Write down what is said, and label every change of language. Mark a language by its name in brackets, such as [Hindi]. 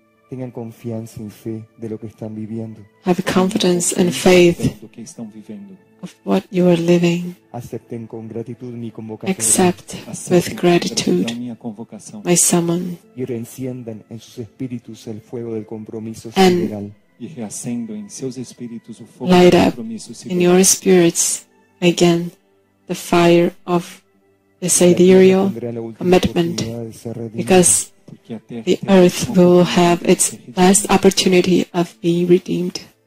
[Spanish] Tengan confianza y fe de lo que están viviendo. [English] Have confidence and faith of what you are living. [Spanish] Acepten con gratitud mi convocación. [English] Accept with gratitude my summon. [Spanish] Y reenciendan en sus espíritus el fuego del compromiso sideral. Y reacendo en sus espíritus el fuego del compromiso sideral. [English] In your spirits again the fire of the sidereal commitment, because the earth will have its last opportunity of being redeemed.